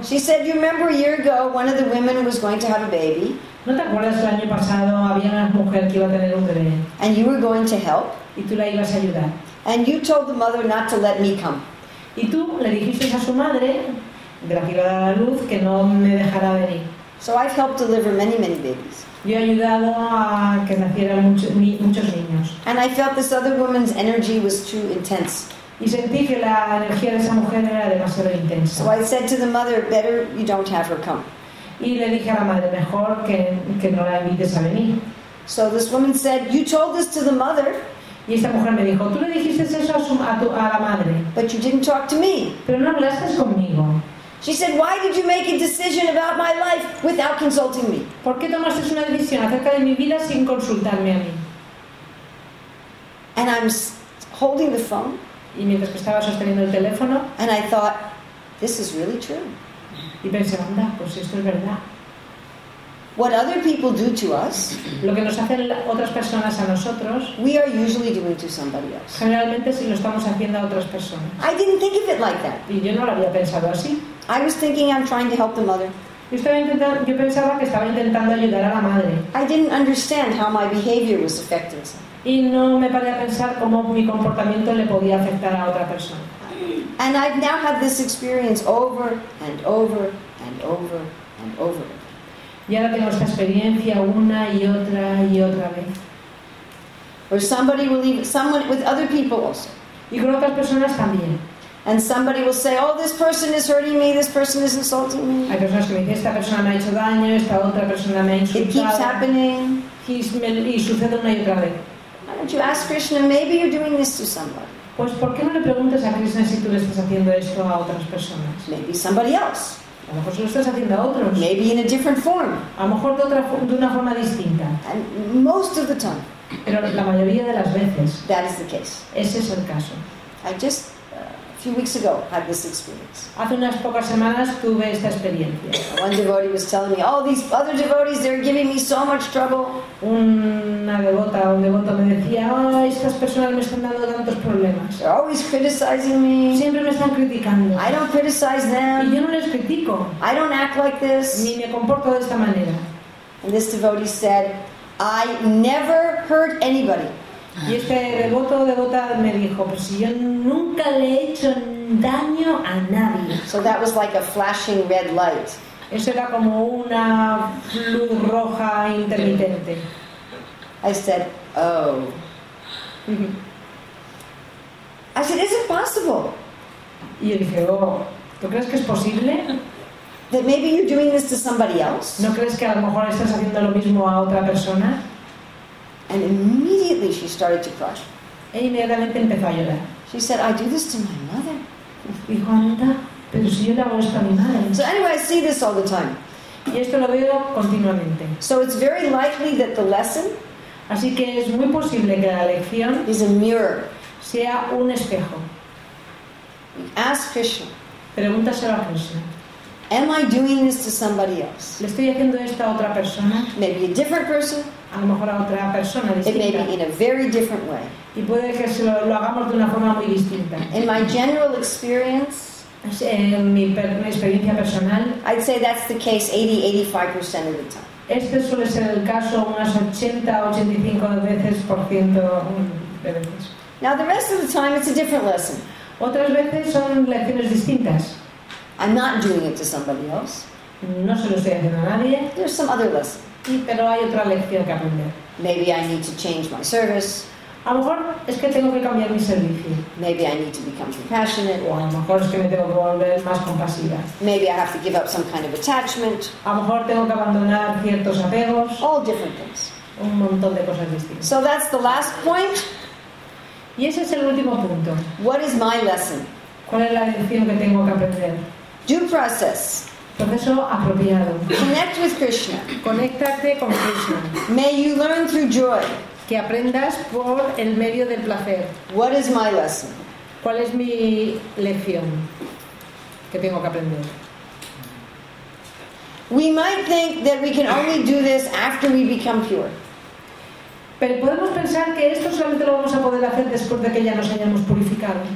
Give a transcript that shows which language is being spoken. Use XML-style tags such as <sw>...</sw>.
<en>She said, you remember 1 year ago one of the women was going to have a baby.</en> <es>¿No te acuerdas el año pasado había una mujer que iba a tener un bebé?</es> <en>And you were going to help.</en> <es>Y tú la ibas a ayudar.</es> <en>And you told the mother not to let me come.</en> <es>Y tú le dijiste a su madre, de la que iba a dar a luz, que no me dejará venir.</es> <en>So I've helped deliver many, many babies.</en> <es>Yo he ayudado a que nacieran muchos niños.</es> <en>And I felt this other woman's energy was too intense.</en> <es>Y sentí que la energía de esa mujer era demasiado intensa.</es> <en>So I said to the mother, better you don't have her come.</en> <es>Y le dije a la madre, mejor que no la invites a venir.</es> <en>So this woman said, you told this to the mother.</en> <es>Y esta mujer me dijo, tú le dijiste eso a la madre.</es> <en>But you didn't talk to me.</en> <es>Pero no hablaste conmigo.</es> <en>She said, why did you make a decision about my life without consulting me?</en> <es>¿Por qué tomaste una decisión acerca de mi vida sin consultarme a mí?</es> <en>And I'm holding the phone.</en> <es>Y mientras que estaba sosteniendo el teléfono,</es> <en>and I thought, this is really true.</en> <es>Y pensé, anda, pues esto es verdad.</es> <en>What other people do to us,</en> <es>lo que nos hacen otras personas a nosotros,</es> <en>we are usually doing to somebody else.</en> <es>Generalmente si lo estamos haciendo a otras personas.</es> <en>I didn't think of it like that.</en> <es>Y yo no lo había pensado así.</es> <en>I was thinking I'm trying to help the mother.</en> <es>Yo pensaba que estaba intentando ayudar a la madre.</es> <en>I didn't understand how my behavior was affecting someone.</en> <es>Y no me paré a pensar cómo mi comportamiento le podía afectar a otra persona.</es> <en>And I've now had this experience over and over and over and over.</en> <es>Y ahora tengo esta experiencia una y otra vez.</es> <en>Or somebody will leave someone with other people also.</en> <es>Y con otras personas también.</es> <en>And somebody will say, oh, this person is hurting me, this person is insulting me.</en> <es>Hay personas que me dicen, esta persona me ha hecho daño, esta otra persona me ha insultado.</es> <en>It keeps happening.</en> <es>Y sucede una y otra vez.</es> <en>don't you ask Krishna, maybe you're doing this to somebody?</en> <es>Pues ¿por qué no le preguntas a Krishna si tú le estás haciendo esto a otras personas?</es> <en>Maybe somebody else.</en> <es>A lo mejor se lo estás haciendo a otros.</es> <en>Maybe in a different form.</en> <es>A lo mejor de una forma distinta.</es> <en>And most of the time.</en> <es>Pero la mayoría de las veces.</es> <en>That is the case.</en> <es>Ese es el caso.</es> <en>I just a few weeks ago had this experience.</en> <es>Hace unas pocas semanas tuve esta experiencia.</es> <en>One devotee was telling me, all these other devotees, they're giving me so much trouble.</en> <es>Un devoto me decía, estas personas me están dando tantos problemas.</es> <en>They're always criticizing me.</en> <es>Siempre me están criticando.</es> <en>I don't criticize them.</en> <es>Y yo no les critico.</es> <en>I don't act like this.</en> <es>Ni me comporto de esta manera.</es> <en>And this devotee said, I never hurt anybody.</en> <es>Y este devoto o devota me dijo, pues yo nunca le he hecho daño a nadie.</es> <en>So that was like a flashing red light.</en> <es>Eso era como una luz roja intermitente.</es> <en>I said, oh. I said, is it possible?</en> <es>Y él dijo, oh, ¿tú crees que es posible?</es> <en>That maybe you're doing this to somebody else.</en> <es>¿No crees que a lo mejor estás haciendo lo mismo a otra persona?</es> <en>And immediately she started to cry.</en> <es>E inmediatamente empezó a llorar.</es> <en>She said, I do this to my mother.</en> <es>Dijo, anda, pero si yo le hago esto a mi madre.</es> <en>So anyway, I see this all the time.</en> <es>Y esto lo veo continuamente.</es> <en>So it's very likely that the lesson,</en> <es>así que es muy posible que la lección,</es> <en>is a mirror,</en> <es>sea un espejo.</es> <en>Ask Krishna.</en> <es>Pregúntaselo a Krishna.</es> <en>Am I doing this to somebody else?</en> <es>¿Le estoy haciendo esto a otra persona?</es> <en>Maybe a different person.</en> <es>A lo mejor a otra persona distinta.</es> <en>It may be in a very different way.</en> <es>Y puede que se lo hagamos de una forma muy distinta.</es> <en>In my general experience,</en> <es>en mi experiencia personal,</es> <en>I'd say that's the case 80-85% of the time.</en> <es>Este suele ser el caso unas 80-85% de veces.</es> <en>Now the rest of the time it's a different lesson.</en> <es>Otras veces son lecciones distintas.</es> <en>I'm not doing it to somebody else.</en> <es>No se lo estoy haciendo a nadie.</es> <en>There's some other lesson.</en> <es>Pero hay otra lección que aprender.</es> <en>Maybe I need to change my service.</en> <es>A lo mejor es que tengo que cambiar mi servicio.</es> <en>Maybe I need to become compassionate.</en> <es>O a lo mejor es que me tengo que volver más compasiva.</es> <en>Maybe I have to give up some kind of attachment.</en> <es>A lo mejor tengo que abandonar ciertos apegos.</es> <en>All different things.</en> <es>Un montón de cosas distintas.</es> <en>So that's the last point.</en> <es>Y ese es el último punto.</es> <en>What is my lesson?</en> <es>¿Cuál es la lección que tengo que aprender?</es> <en>Due process.</en> <es>Proceso apropiado.</es> <en>Connect with Krishna.</en> <es>Conéctate con Krishna.</es> <en>May you learn through joy.</en> <es>Que aprendas por el medio del placer.</es> <en>What is my lesson?</en> <es>¿Cuál es mi lección que tengo que aprender?</es> <en>We might think that we can only do this after we become pure.</en> <es>Pero podemos pensar que esto solamente lo vamos a poder hacer después de que ya nos hayamos purificado.</es>